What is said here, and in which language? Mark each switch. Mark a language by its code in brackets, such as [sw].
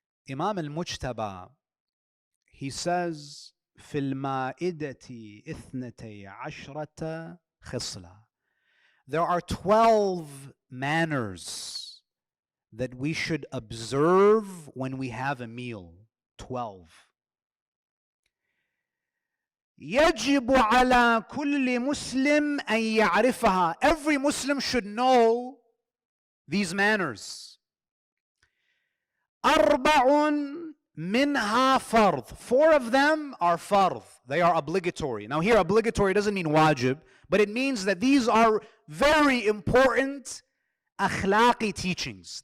[en] Imam Al-Mujtaba, he says, [ar] فِي الْمَائِدَةِ إِثْنَتَيْ عَشْرَةَ خِصْلَةَ [en] There are 12 manners that we should observe when we have a meal. 12. [ar] يجب على كل مسلم أن يعرفها. [en] Every Muslim should know these manners. [ar] أربع منها فرض. [en] Four of them are فرض. They are obligatory. Now here, obligatory doesn't mean wajib, but it means that these are very important أخلاقي teachings.